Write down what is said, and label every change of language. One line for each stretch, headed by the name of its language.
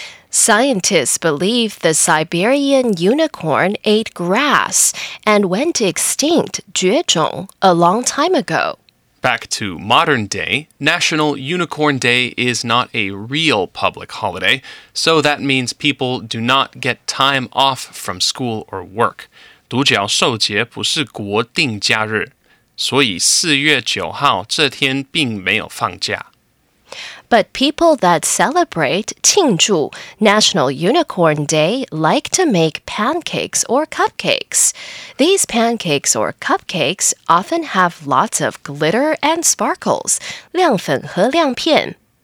English: Scientists believe the Siberian unicorn ate grass and went extinct, 绝种, a long time ago. Back to modern day, National Unicorn Day is not a real public holiday, so that means people do not get time off from school or work.
Chinese: 独角兽节不是国定假日，所以四月九号这天并没有放假。
English: But people that celebrate 庆祝 National Unicorn Day like to make pancakes or cupcakes. These pancakes or cupcakes often have lots of glitter and sparkles,
Chinese: 亮粉和亮片。